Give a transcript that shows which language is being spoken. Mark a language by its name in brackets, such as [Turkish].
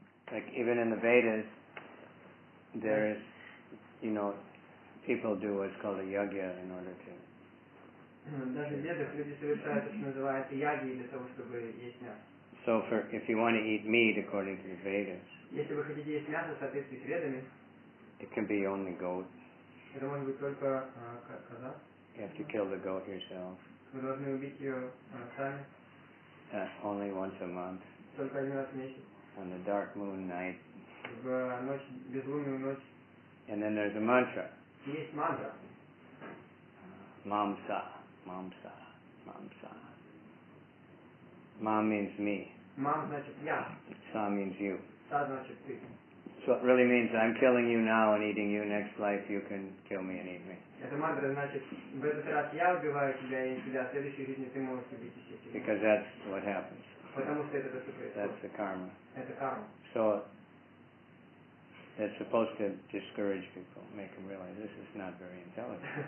[English] Like even in the Vedas, there is, you know, people do what's called a yagya in order to. [Russian] Даже в Ведах люди совершают, что называется, яги для того, чтобы есть мясо. [English] So for if you want to eat meat according to the Vedas. [Russian] Если вы хотите есть мясо, соответствует Ведами. [English] It can be only goat. [Russian] Это может быть только коза. [English] You have to kill the goat yourself. [Russian] Вы должны убить ее сами. [English] Only once a month. [Russian] Только один раз в месяц. [English] On the dark moon night. [Russian] В ночь, безлунную ночь. [English] And then there's a mantra. [Russian] Есть мантра. [English] Мамса. Mamsa, mamsa. Mam means me. [Russian] Mam значит я. [English] Sa means you. [Russian] Sa значит ты. [English] So it really means I'm killing you now and eating you next life. You can kill me and eat me. [Russian] Это мантра значит в этот раз я убиваю тебя и тебя в следующей жизни ты можешь убить и съесть. [English] Because that's what happens. [Russian] Потому что это происходит. [English] That's the karma. [Russian] Это карма. [English] So it's supposed to discourage people, make them realize this is not very intelligent.